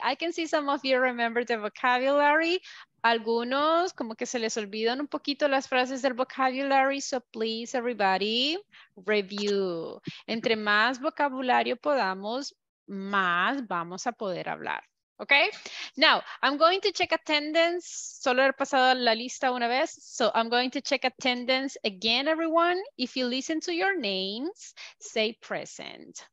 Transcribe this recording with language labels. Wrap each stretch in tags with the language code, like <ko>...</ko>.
<en>I can see some of you remember the vocabulary.</en> <es>Algunos como que se les olvidan un poquito las frases del vocabulary.</es> <en>So please, everybody, review.</en> <es>Entre más vocabulario podamos, más vamos a poder hablar.</es> <en>Okay, now I'm going to check attendance.</en> <es>Solo he pasado la lista una vez.</es> <en>So I'm going to check attendance again, everyone. If you listen to your names, say present.</en>